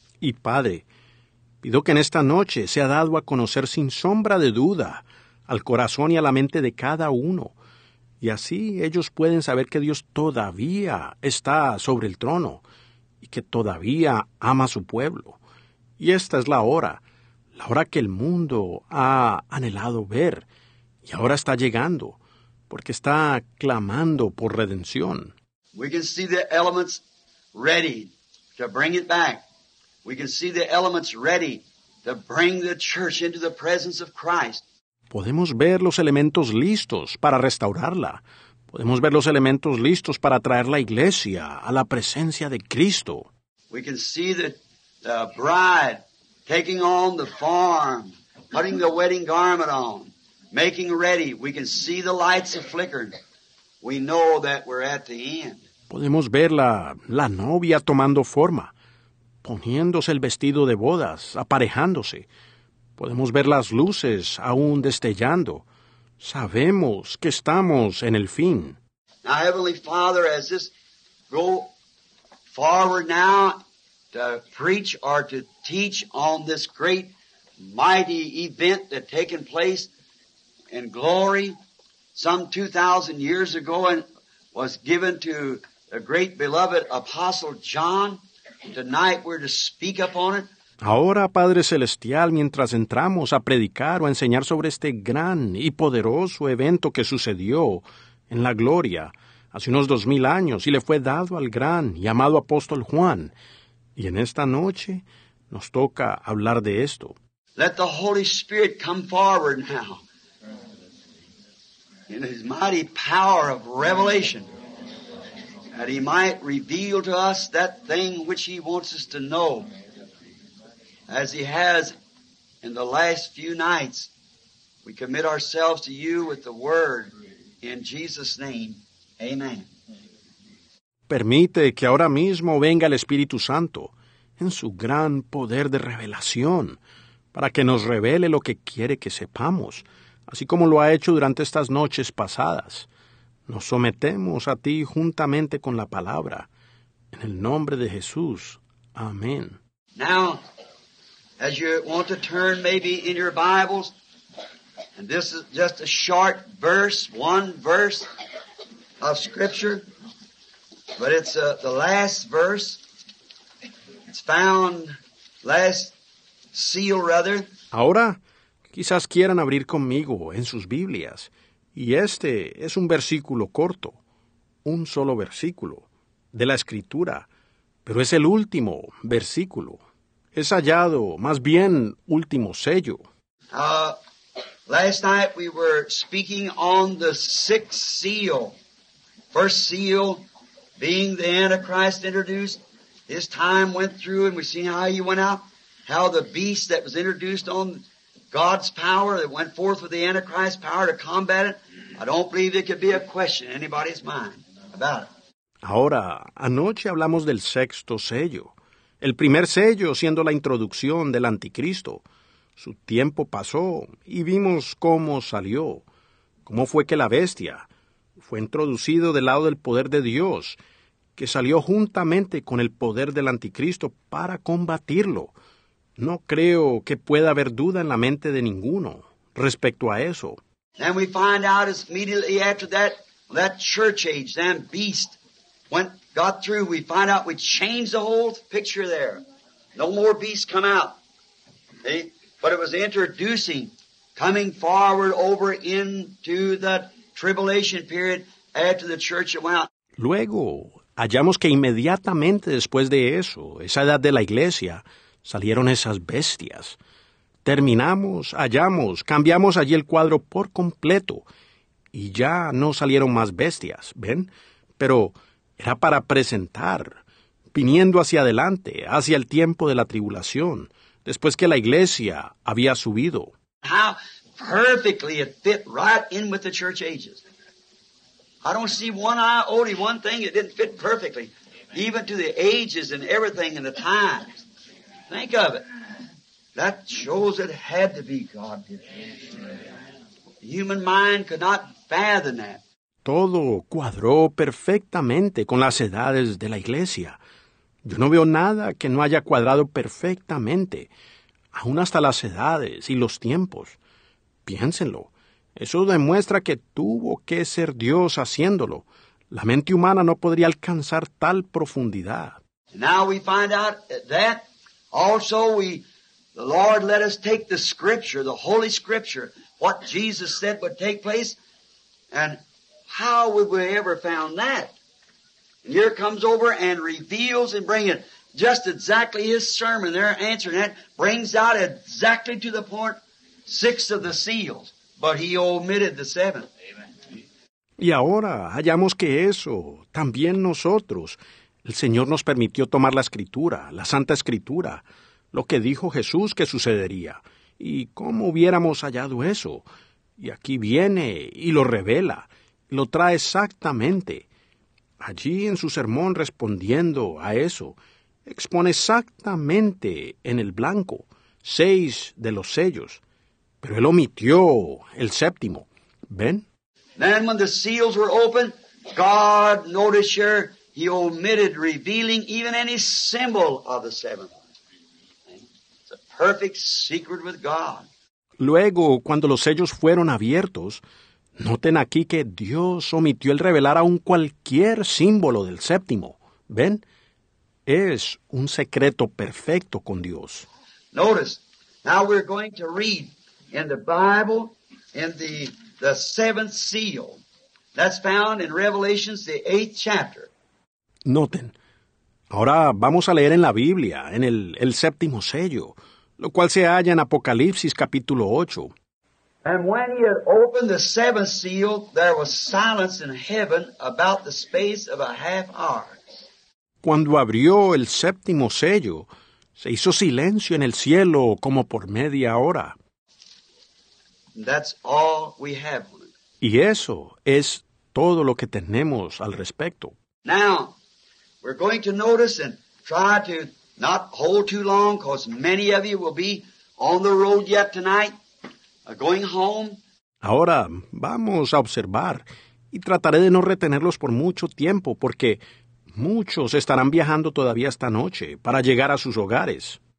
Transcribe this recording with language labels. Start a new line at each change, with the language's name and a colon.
Spanish: Y Padre, pido que en esta noche sea dado a conocer sin sombra de duda al corazón y a la mente de cada uno, y así ellos pueden saber que Dios todavía está sobre el trono y que todavía ama a su pueblo. Y esta es la hora que el mundo ha anhelado ver. Y ahora está llegando, porque está clamando por redención.
English: We can see the elements ready to bring it back. We can see the elements ready to bring the church into the presence of Christ.
Spanish: Podemos ver los elementos listos para restaurarla. Podemos ver los elementos listos para traer la iglesia a la presencia de Cristo.
English: We can see the bride taking on the form, putting the wedding garment on. Making ready, we can see the lights are flickering. We know that we're at the end.
Spanish: Podemos ver la novia tomando forma, poniéndose el vestido de bodas, aparejándose. Podemos ver las luces aún destellando. Sabemos que estamos en el fin.
English: Now, Heavenly Father, as this go forward now to preach or to teach on this great, mighty event that taken place in glory some 2,000 years ago and was given to the great beloved Apostle John. Tonight we're to speak upon it.
Spanish: Ahora, Padre Celestial, mientras entramos a predicar o a enseñar sobre este gran y poderoso evento que sucedió en la gloria hace unos 2000 años y le fue dado al gran y amado apóstol Juan, y en esta noche nos toca hablar de esto.
English: Let the Holy Spirit come forward now in His mighty power of revelation, that He might reveal to us that thing which He wants us to know, as He has in the last few nights. We commit ourselves to You with the Word, in Jesus' name. Amen.
Spanish: Permite que ahora mismo venga el Espíritu Santo en su gran poder de revelación, para que nos revele lo que quiere que sepamos, así como lo ha hecho durante estas noches pasadas. Nos sometemos a Ti juntamente con la palabra. En el nombre de Jesús. Amén.
English: Now, as you want to turn maybe in your Bibles, and this is just a short verse, one verse of Scripture, but it's the last verse. It's found last seal, rather.
Spanish: Ahora, quizás quieran abrir conmigo en sus Biblias. Y este es un versículo corto, un solo versículo de la Escritura, pero es el último versículo. Es hallado, más bien, último sello.
English: Last night we were speaking on the sixth seal. First seal being the Antichrist introduced. His time went through and we see how he went out. How the beast that was introduced on God's power, that went forth with the Antichrist's power to combat it. I don't believe it could be a question in anybody's mind about it.
Spanish: Ahora, anoche hablamos del sexto sello. El primer sello siendo la introducción del anticristo. Su tiempo pasó y vimos cómo salió. Cómo fue que la bestia fue introducido del lado del poder de Dios, que salió juntamente con el poder del anticristo para combatirlo. No creo que pueda haber duda en la mente de ninguno respecto a eso.
English: Then we find out as immediately after that church age, that beast went, got through, we find out we changed the whole picture there. No more beasts come out. See? But it was introducing, coming forward over into the tribulation period after the church went out.
Spanish: Luego, hallamos que inmediatamente después de eso, esa edad de la iglesia, salieron esas bestias. Terminamos, hallamos, cambiamos allí el cuadro por completo y ya no salieron más bestias, ¿ven? Pero era para presentar, viniendo hacia adelante, hacia el tiempo de la tribulación, después que la iglesia había subido.
English: How perfectly it fit right in with the church ages. I don't see one iota, one thing it didn't fit perfectly, even to the ages and everything and the times. Think of it. That shows it had to be God. The human mind could not fathom that.
Spanish: Todo cuadró perfectamente con las edades de la iglesia. Yo no veo nada que no haya cuadrado perfectamente, aun hasta las edades y los tiempos. Piénsenlo. Eso demuestra que tuvo que ser Dios haciéndolo. La mente humana no podría alcanzar tal profundidad.
English: Now we find out that also, the Lord let us take the Scripture, the Holy Scripture, what Jesus said would take place, and how would we ever found that? And here comes over and reveals and brings it just exactly his sermon there, answering that, brings out exactly to the point six of the seals, but he omitted the seventh. Amen.
Spanish: Y ahora hallamos que eso, también nosotros, el Señor nos permitió tomar la Escritura, la Santa Escritura, lo que dijo Jesús que sucedería, y cómo hubiéramos hallado eso. Y aquí viene y lo revela, y lo trae exactamente. Allí en su sermón respondiendo a eso, expone exactamente en el blanco seis de los sellos, pero él omitió el séptimo. ¿Ven?
English: Then when the seals were open, God noticed her. He omitted revealing even any symbol of the seventh. It's a perfect secret with God.
Spanish: Luego, cuando los sellos fueron abiertos, noten aquí que Dios omitió el revelar aún cualquier símbolo del séptimo. ¿Ven? Es un secreto perfecto con Dios.
English: Notice, now we're going to read in the Bible, in the seventh seal. That's found in Revelation, the 8th chapter.
Spanish: Noten, ahora vamos a leer en la Biblia, en el séptimo sello, lo cual se halla en Apocalipsis capítulo 8.
English: And when he had opened the seventh seal, there was silence in heaven about the space of a half hour.
Spanish: Cuando abrió el séptimo sello, se hizo silencio en el cielo como por media hora.
English: That's all we have.
Spanish: Y eso es todo lo que tenemos al respecto.
English: Now, we're going to notice and try to not hold too long, because many of you will be on the road yet tonight, going home.
Spanish: Ahora, vamos a observar, y trataré de no retenerlos por mucho tiempo, porque muchos estarán viajando todavía esta noche para llegar a sus hogares.